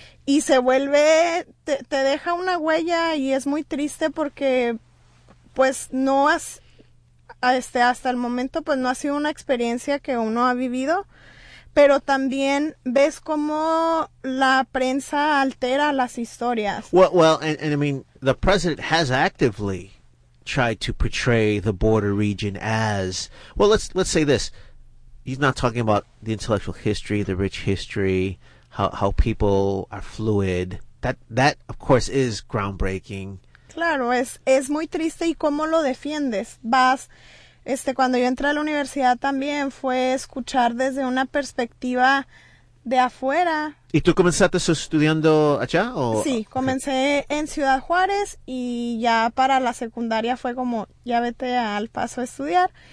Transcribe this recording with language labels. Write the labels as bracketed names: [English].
[Spanish] Y se vuelve, te deja una huella y es muy triste porque, pues, no has, hasta el momento, pues, no ha sido una experiencia que uno ha vivido, pero también ves cómo la prensa altera las historias. [English] Well, I mean, the president has actively tried to portray the border region as, well, let's say this. He's not talking about the intellectual history, the rich history, how people are fluid. That of course is groundbreaking. [Spanish] Claro, es muy triste y cómo lo defiendes. Vas, cuando yo entré a la universidad también fue escuchar desde una perspectiva de afuera. ¿Y tú comenzaste estudiando allá? ¿O? Sí, comencé en Ciudad Juárez y ya para la secundaria fue como, ya vete al paso a estudiar.